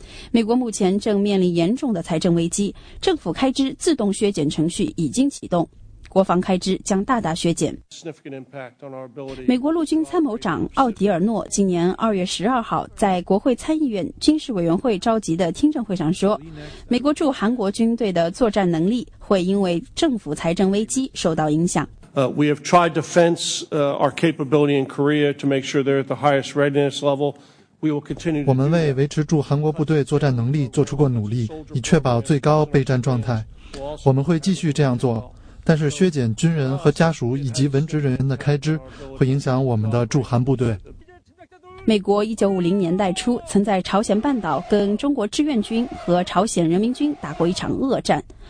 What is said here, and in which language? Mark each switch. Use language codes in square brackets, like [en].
[zh] 美国目前正面临严重的财政危机，政府开支自动削减程序已经启动，国防开支将大大削减。美国陆军参谋长奥迪尔诺今年2月12号在国会参议院军事委员会召集的听证会上说，美国驻韩国军队的作战能力会因为政府财政危机受到影响。 [en] We have tried to fence our capability in Korea to make sure they're at the highest readiness level. [zh] 我们为维持驻韩国部队作战能力做出过努力，以确保最高备战状态。我们会继续这样做，但是削减军人和家属以及文职人员的开支会影响我们的驻韩部队。美国1950年代初曾在朝鲜半岛跟中国志愿军和朝鲜人民军打过一场恶战。